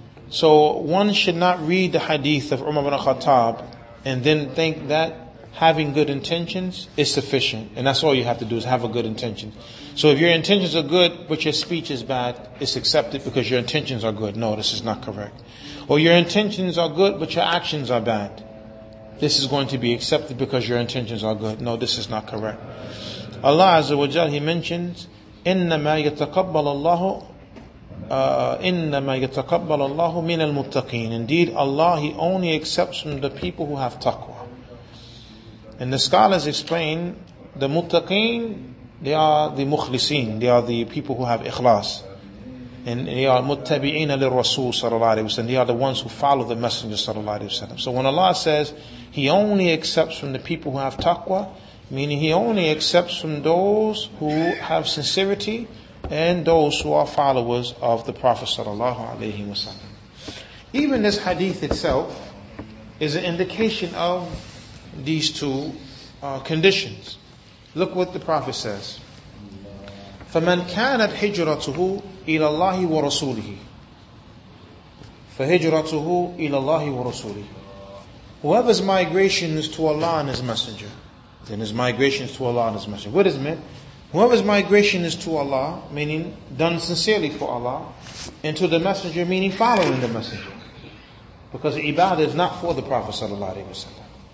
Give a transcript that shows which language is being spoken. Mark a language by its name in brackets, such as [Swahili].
[English] So one should not read the hadith of Umar ibn Khattab and then think that having good intentions is sufficient. And that's all you have to do, is have a good intention. So if your intentions are good, but your speech is bad, it's accepted because your intentions are good. No, this is not correct. Or your intentions are good, but your actions are bad. This is going to be accepted because your intentions are good. No, this is not correct. [Arabic] Allah Azza wa Jal, He mentions, إِنَّمَا يَتَقَبَّلَ اللَّهُ إِنَّمَا يَتَقَبَّلَ اللَّهُ مِنَ الْمُتَّقِينَ. [English] Indeed, Allah, He only accepts from the people who have taqwa. And the scholars explain, the muttaqeen, they are the mukhlisin, they are the people who have ikhlas. And they are muttabi'ina lil-rasul sallallahu alayhi wa sallam. They are the ones who follow the Messenger sallallahu alayhi wa sallam. So when Allah says, He only accepts from the people who have taqwa, meaning He only accepts from those who have sincerity, and those who are followers of the Prophet sallallahu alaihi wasallam. Even this hadith itself is an indication of these two conditions. [Arabic] Look what the Prophet says: فَمَنْ كَانَتْ هِجْرَتُهُ إِلَى اللَّهِ وَرَسُولِهِ فَهِجْرَتُهُ إِلَى اللَّهِ وَرَسُولِهِ. [English] Whoever's migration is to Allah and His Messenger, then his migration is to Allah and His Messenger. What is meant? Whoever's migration is to Allah, meaning done sincerely for Allah, and to the Messenger, meaning following the Messenger. Because ibadah is not for the Prophet sallallahu alaihi wasallam.